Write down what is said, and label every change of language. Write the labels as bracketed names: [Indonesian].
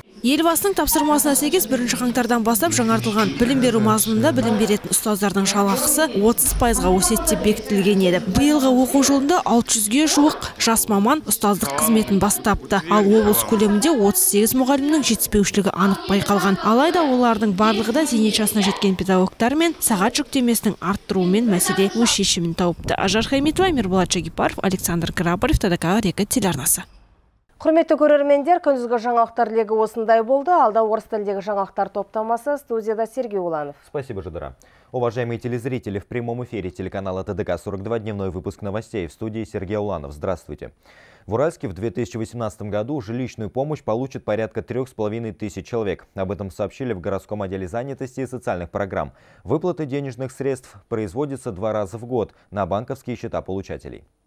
[Kazakh] Елбасының тапсырмасына сәйкес 1-ші қаңтардан бастап жаңартылған білім беру мазмұнында білім беретін ұстаздардың жалақысы 30%-ға өседі бекітілген еді. Биылғы оқу жылында 600-ге жуық жас маман ұстаздық қызметін бастапты. Ал облыс көлемінде 38 мұғалімнің жетіспеушілігі анық байқалған. Алайда олардың барлығы да зейнет жасына жеткен педагогтар мен сағат жүктемесінің арттыруымен мәселе өз шешімін тауыпты. Ажар Хаймитова, Мирболат Шагипаров, Александр Грабарев, ТДК Река телеарнасы. Құрметті көрермендер, күндізгі жаңалықтар легі осындай болды. Алда орыс тіліндегі жаңалықтар топтамасы студияда Сергей Уланов. [Russian] Спасибо, Жадыра. Уважаемые телезрители, в прямом эфире телеканала ТДК 42 дневной выпуск новостей в студии Сергей Уланов. Здравствуйте. В Уральске в 2018 году жилищную помощь получит порядка 3500 человек. Об этом сообщили в городском отделе занятости и социальных программ. Выплаты денежных средств производятся 2 раза в год на банковские счета получателей.